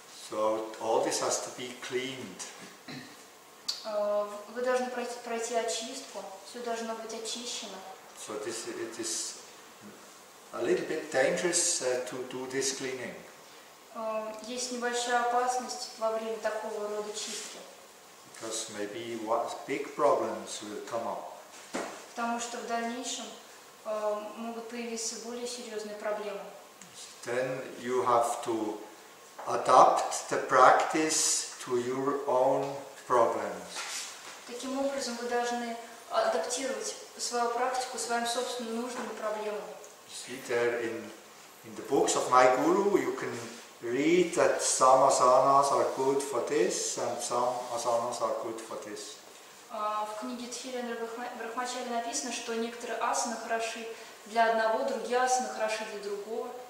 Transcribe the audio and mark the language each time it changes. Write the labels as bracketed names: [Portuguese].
[English] So all this has to be cleaned. [Russian] Вы должны пройти очистку. Все должно быть очищено. [English] So this, it is a little bit dangerous to do this cleaning. [Russian] Есть небольшая опасность во время такого рода чистки. [English] Because maybe what big problems will come up. [Russian] Потому что в дальнейшем могут появиться более серьезные проблемы. [English] Then you have to adapt the practice to your own problems. [Russian] Таким образом, вы должны адаптировать свою практику своим собственным нужным проблемам. [English] See there in the books of my guru, you can read that some asanas are good for this and some asanas are good for this. [Russian] В книге Тхирендра Брахмачари написано, что некоторые асаны хороши для одного, другие асаны хороши для другого.